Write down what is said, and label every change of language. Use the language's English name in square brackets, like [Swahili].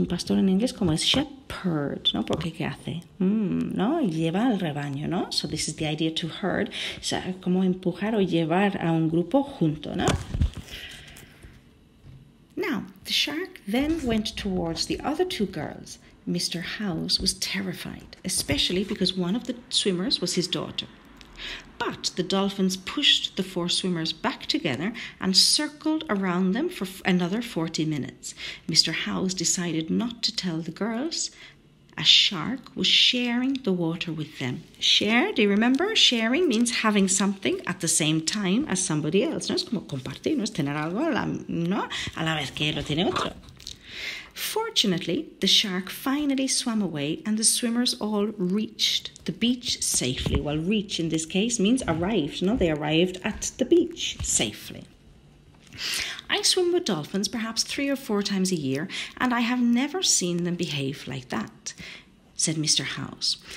[Spanish] Un pastor en inglés como es shepherd, no? Porque ¿qué hace? No, lleva al rebaño, no? [English] So this is the idea, to herd. [Spanish] O sea, como empujar o llevar a un grupo junto, no? [English] Now, the shark then went towards the other two girls. Mr. House was terrified, especially because one of the swimmers was his daughter. But the dolphins pushed the four swimmers back together and circled around them for another 40 minutes. Mr. House decided not to tell the girls. A shark was sharing the water with them. Share, do you remember? Sharing means having something at the same time as somebody else. [Spanish] No, es como compartir, no es tener algo a la, no, a la vez que lo tiene otro. [English] Fortunately, the shark finally swam away and the swimmers all reached the beach safely. Well, reach in this case means arrived, no? They arrived at the beach safely. I swim with dolphins perhaps 3 or 4 times a year, and I have never seen them behave like that, said Mr. House.